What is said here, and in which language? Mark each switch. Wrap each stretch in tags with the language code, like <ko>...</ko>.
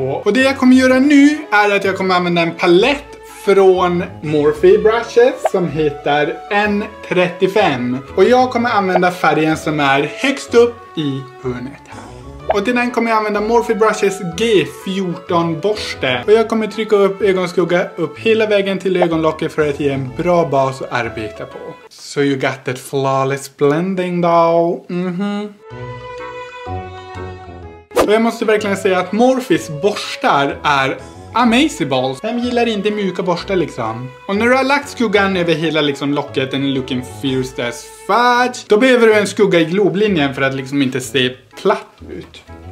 <sv>Och det jag kommer göra nu är att jag kommer använda en palett från Morphe Brushes som heter N35. Och jag kommer använda färgen som är högst upp i hörnet här. Och till den kommer jag använda Morphe Brushes G14 borste. Och jag kommer trycka upp ögonskugga upp hela vägen till ögonlocket för att ge en bra bas att arbeta på.</sv> <en>So you got that flawless blending though. Mm-hmm.</en> <sv>Och jag måste verkligen säga att Morphes borstar är amazeballs. Vem gillar inte mjuka borstar liksom? Och när du har lagt skuggan över hela liksom locket, den är</sv> <en>looking fierce as fudge,</en> <sv>då behöver du en skugga i globlinjen för att liksom inte se platt ut.</sv>